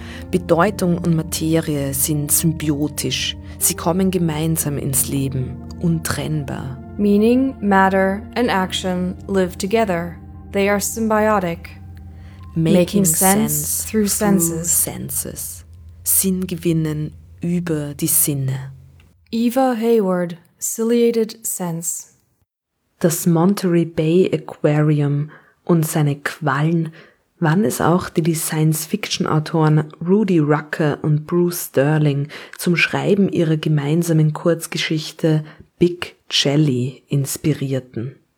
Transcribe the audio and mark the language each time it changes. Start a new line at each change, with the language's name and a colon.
German: Bedeutung und Materie sind symbiotisch, sie kommen gemeinsam ins Leben, untrennbar.
English: Meaning, matter and action live together. They are symbiotic. Making sense through senses.
German: Sinn gewinnen über die Sinne. Eva Hayward, Ciliated Sense. Das Monterey Bay Aquarium und seine Quallen waren es auch, die Science-Fiction-Autoren Rudy Rucker und Bruce Sterling zum Schreiben ihrer gemeinsamen Kurzgeschichte Big Jelly inspirierten.